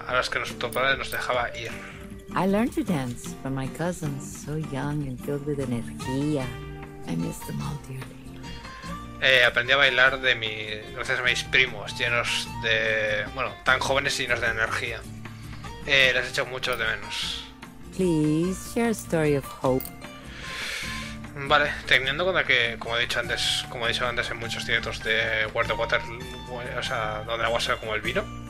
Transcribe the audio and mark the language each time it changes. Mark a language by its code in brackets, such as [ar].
[es] A las que nuestro padre nos dejaba ir. [en] I learned to dance from my cousins, so young and filled with energía. I miss them all dearly. [es] Aprendí a bailar de gracias a mis primos, llenos de, bueno, tan jóvenes y llenos de energía. Les echo mucho de menos. [en] Please share a story of hope. [es] Vale, teniendo en cuenta que, como he dicho antes, en muchos directos de World of Water, o sea, donde el agua se ve como el vino.